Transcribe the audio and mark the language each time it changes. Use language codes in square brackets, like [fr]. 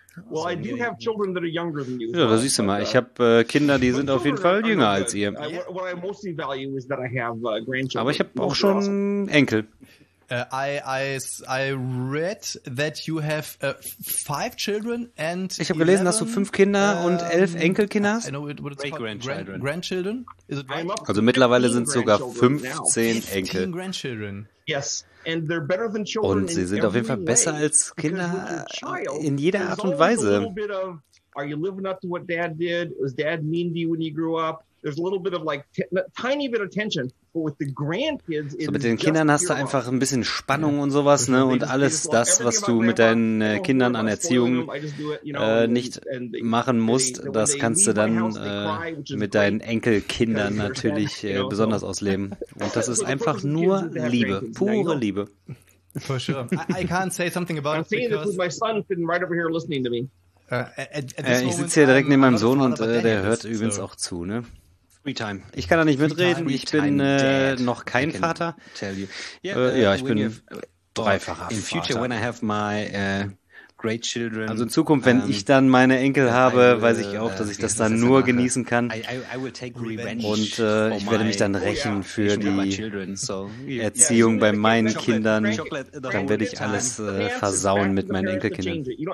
[en] Well, I do have children that are younger than you. [de] Ja, da siehst du mal. Ich habe Kinder, die sind auf jeden Fall jünger als ihr. [en] What I mostly value is that I have grandchildren. [de] Aber ich habe auch schon Enkel. [en] I read that you have 5 children and [de] ich habe gelesen, dass du 5 Kinder und 11 Enkelkinder hast. [en] Grandchildren. [de] Also mittlerweile sind es sogar 15 Enkel. [en] Grandchildren. Yes. And they're better than children. [de] Und sie sind auf jeden Fall besser als Kinder in jeder Art und Weise. [en] Are you living up to what dad did? Was dad mean to you when you grew up? There's a little bit of like tiny bit of tension. But with the grandkids, [de] so mit den Kindern hast du einfach ein bisschen Spannung und sowas, ne? Und alles das, was du mit deinen Kindern an Erziehung nicht machen musst, das kannst du dann mit deinen Enkelkindern natürlich besonders ausleben. Und das ist einfach nur Liebe, pure Liebe. [en] For sure. I can't say something about it. My son sitting right over here listening to me. [de] Ich sitze hier direkt neben meinem Sohn und der hört übrigens auch zu, ne? [en] Freetime. [de] Ich kann da nicht mitreden, ich bin noch kein Vater. Ja, ich bin dreifacher Vater. [en] In future when I have my great children. [de] Also in Zukunft, wenn ich dann meine Enkel habe, weiß ich auch, dass ich das dann nur genießen kann. Und ich werde mich dann rächen für die Erziehung bei meinen Kindern. Dann werde ich alles versauen mit meinen Enkelkindern.